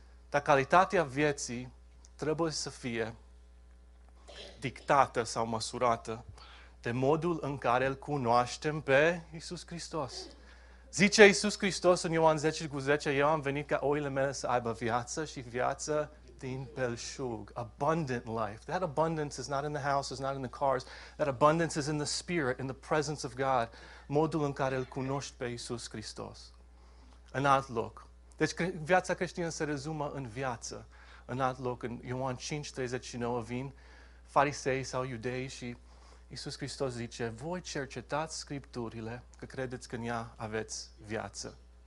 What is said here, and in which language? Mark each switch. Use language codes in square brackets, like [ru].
[ro] Dar calitatea vieții trebuie să fie dictată sau măsurată de modul în care îl cunoaștem pe Iisus Hristos. Zice Iisus Hristos în Ioan 10:10, eu am venit ca oile mele să aibă viață și viață din belșug. [en] Abundant life. That abundance is not in the house, it's not in the cars. That abundance is in the spirit, in the presence of God. [ro] Modul în care îl cunoști pe Iisus Hristos. În alt loc. Deci viața creștină se rezumă în viață. În alt loc, în Ioan 5:39 vin farisei sau iudei și Iisus Hristos zice, voi cercetați scripturile, că credeți că în ea aveți viață.